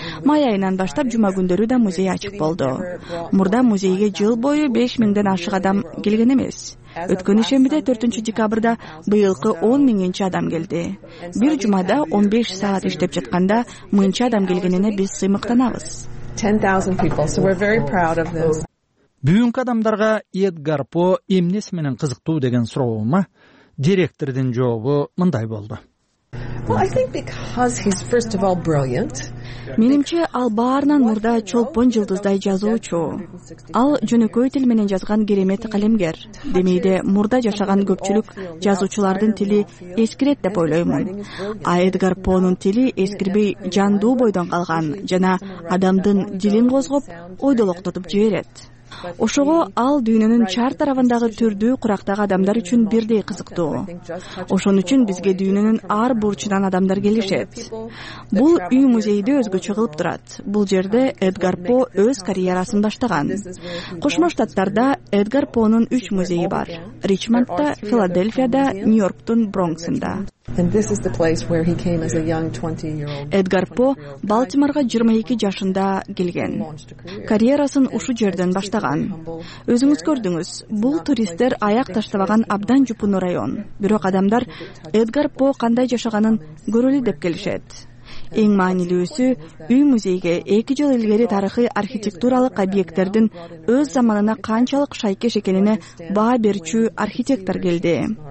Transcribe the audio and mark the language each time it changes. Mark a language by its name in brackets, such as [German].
[Kyrgyz] Май айынан баштап жума күндөрү да музей ачык болду. Мурда музейге жыл бою 5000 ашык адам келген эмес. Өткөн ишембиде 4 декабрда быйылкы 10,000 адам келди. Бир жумада 15 саат иштеп жатканда 1,000 адам келгенине биз сыймыктанабыз. [English] 10,000 people, so we're very proud of this. [Kyrgyz] Бүгүнкү адамдарга Эдгар По эмнеси менен кызыктуу деген суроома директордун жообу мындай болду. [English] Well, I think because he's first of all brilliant. [Kyrgyz] Менимче ал баарынан мурда чолпон жылдыздай жазуучу. Ал жөнөкөй тил менен жазган керемет калемгер. Демейде мурда жашаган көпчүлүк жазуучулардын тили эскирет деп ойлоймун. А Эдгар Понун тили эскирбей жандуу бойдон калган жана адамдын дилин козгоп, ойдолоктотуп жиберет. Ошого ал дүйнөнүн чар тарабындагы түрдүү курактагы адамдар үчүн бирдей кызыктуу. Ошон үчүн бизге дүйнөнүн ар бурчунан адамдар келишет. Бул үй музейди өзгөчө кылып турат. Бул жерде Эдгар По өз карьерасын баштаган. Кошмо Штаттарда Эдгар Понун 3 музейи бар. Ричмондда, Филадельфияда, Нью-Йорктун Бронксында. [English] And this is the place where he came as a young 20-year-old. [Kyrgyz] Эдгар По Балтиморга 22 жашында келген. Карьерасын ушу жерден баштаган. Өзүңүз көрдүңүз, бул туристтер аяк таштабаган абдан жупуну район. Бирок адамдар Эдгар По кандай жашаганын көрөлү деп келишет. Эң маанилүүсү үй музейге 2 жыл илгери тарыхый архитектуралык объекттердин өз заманына канчалык шайкеш экенине баа берчү архитектор келди.